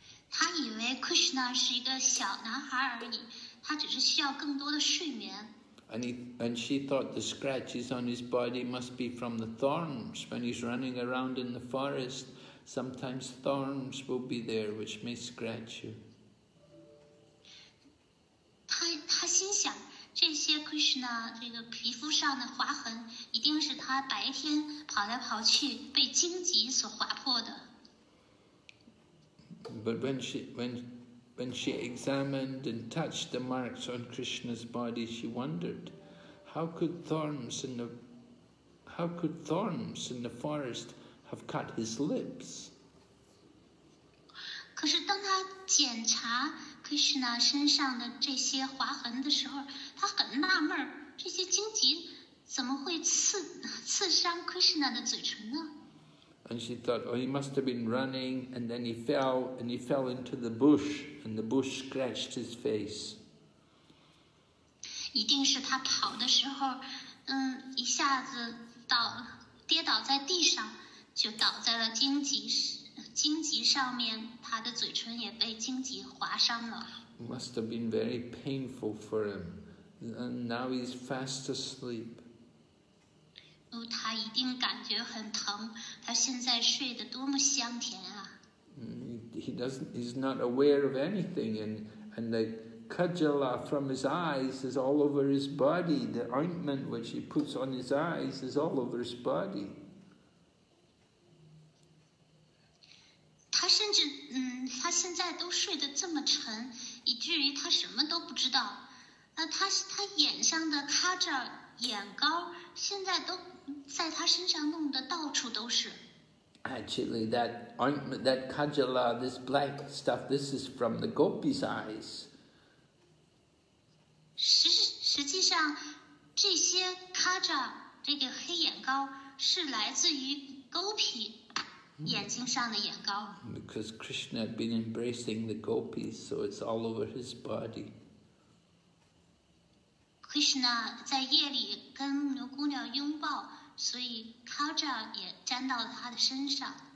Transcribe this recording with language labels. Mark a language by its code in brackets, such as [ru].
[zh] 她以为 Krishna 是一个小男孩而已，他只是需要更多的睡眠。 [en] And she thought the scratches on his body must be from the thorns when he's running around in the forest. Sometimes thorns will be there, which may scratch you. [zh] 他心想，这些 Krishna 这个皮肤上的划痕，一定是他白天跑来跑去被荆棘所划破的。 [en] But when she examined and touched the marks on Krishna's body, she wondered, how could thorns in the forest have cut his lips? [zh] 可是当他检查 Krishna 身上的这些划痕的时候，他很纳闷，这些荆棘怎么会刺伤 Krishna 的嘴唇呢？ [en] And she thought, oh, he must have been running, and then he fell into the bush, and the bush scratched his face. [zh] 一定是他跑的时候，一下子跌倒在地上，就倒在了荆棘上面，他的嘴唇也被荆棘划伤了。 [en] Must have been very painful for him, and now he's fast asleep. [zh] 他一定感觉很疼，他现在睡得多么香甜啊！ [en] He's not aware of anything, and the kajala from his eyes is all over his body. The ointment which he puts on his eyes is all over his body. [zh] 他甚至，他现在都睡得这么沉，以至于他什么都不知道。他眼上的卡扎眼膏，现在都在他身上弄得到处都是。 [en] Actually, that ointment, that kajala, this black stuff, this is from the gopis' eyes. [zh] 实际上，这些卡扎这个黑眼膏是来自于勾皮。眼睛上的眼膏。 [en] Because Krishna had been embracing the gopis, so it's all over his body. [zh] Krishna 在夜里跟牧牛姑娘拥抱，所以 Kaja 也沾到了他的身上。